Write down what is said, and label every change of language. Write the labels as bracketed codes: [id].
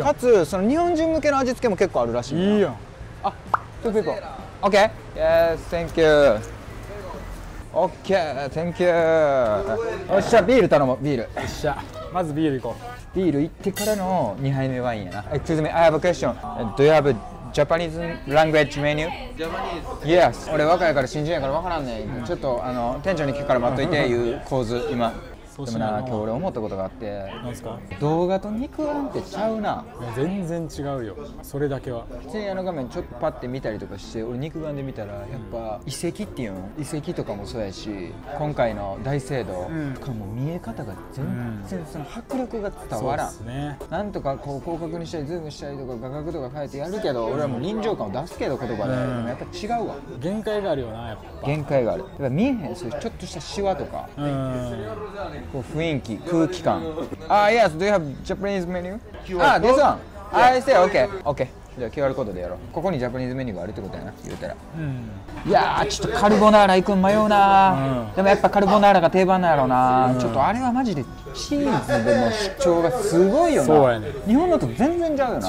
[ja] かつその日本人向けの味付けも結構あるらしい。いいやん、あちょっと行こう。 [en] OK Yes Thank you [ja] オッケー、センキュー。よっしゃ、ビール頼もう、ビール。よっしゃ、まずビール行こう。ビール行ってからの2杯目ワインやな。 [en] Excuse me, I have a question. Do you have a Japanese language menu? Japanese. Yes. [ja] 俺若いから新人やから分からんねん。ちょっと店長に聞くから待っといていう構図、今。でもな、今日俺思ったことがあって。なんすか？動画と肉あんってちゃうな。全然違うよ、それだけは。普通にあの画面ちょっとパッて見たりとかして、俺肉眼で見たらやっぱ遺跡っていうの、遺跡とかもそうやし、今回の大聖堂とかも見え方が全然その迫力が伝わらん、うん、そうですね。なんとかこう広角にしたりズームしたりとか画角とか変えてやるけど、俺はもう臨場感を出すけど言葉で、うん、でもやっぱ違うわ、限界があるよな、やっぱ限界がある。やっぱ見えへん、そういうちょっとしたシワとか、うん、こう雰囲気、空気感。 [en] Yes, do you have Japanese menu? This one? I say, okay. OK。 [ja] じゃあ QR コードでやろう。ここにジャパニーズメニューがあるってことやな、言うたら。うん、いやー、ちょっとカルボナーラ行くん迷うな、うん。でもやっぱカルボナーラが定番なんやろうな、うん。ちょっとあれはマジでチーズでの主張がすごいよな。そうやね。日本のと全然違うよな。